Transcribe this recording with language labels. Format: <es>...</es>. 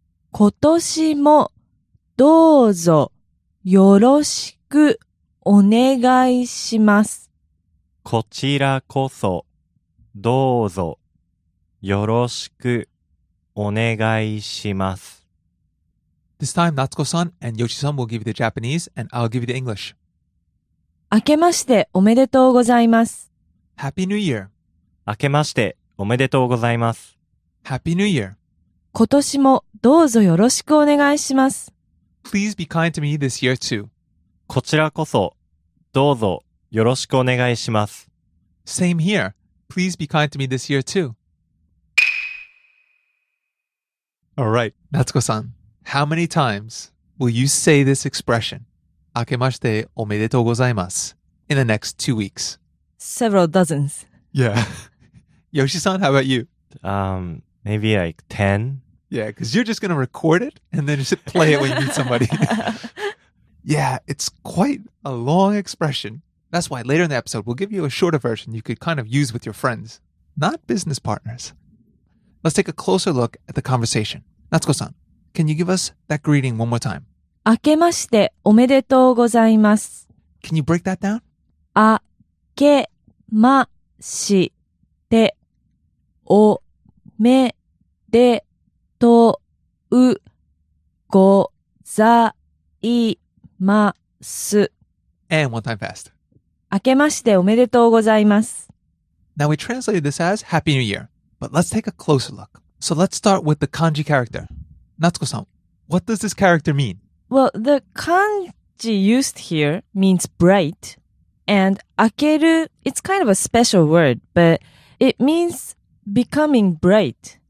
<ja>今年もどうぞよろしくお願いします。こちらこそどうぞよろしくお願いします。</ja> <en>This time Natsuko-san and Yoshi-san will give you the Japanese and I'll give you the English.</en> <ja>明けましておめでとうございます。</ja> <en>Happy New Year.</en> <ja>明けましておめでとうございます。</ja> <en>Happy New Year.</en> <ja>今年もどうぞよろしくお願いします。</ja> <en>Please be kind to me this year too.</en> <ja>こちらこそどうぞよろしくお願いします。</ja> <en>Same here. Please be kind to me this year too. All right, Natsuko-san. How many times will you say this expression,</en> <ja>明けましておめでとうございます,</ja> <en>in the next 2 weeks? Several dozens. Yeah. Yoshi-san, how about you? Maybe like 10. Yeah, because you're just going to record it and then just play it when you meet somebody. Yeah, it's quite a long expression. That's why later in the episode, we'll give you a shorter version you could kind of use with your friends, not business partners. Let's take a closer look at the conversation. Natsuko-san, can you give us that greeting one more time?</en> <ja>明けましておめでとうございます。</ja> <en>Can you break that down?</en> <ja>明けましておめでとうございます。</ja> <en>And one time fast.</en> <ja>明けましておめでとうございます。</ja> <en>Now we translated this as Happy New Year, but let's take a closer look. So let's start with the kanji character. Natsuko-san, what does this character mean? Well, the kanji used here means bright, and 明ける, it's kind of a special word, but it means becoming bright.</en>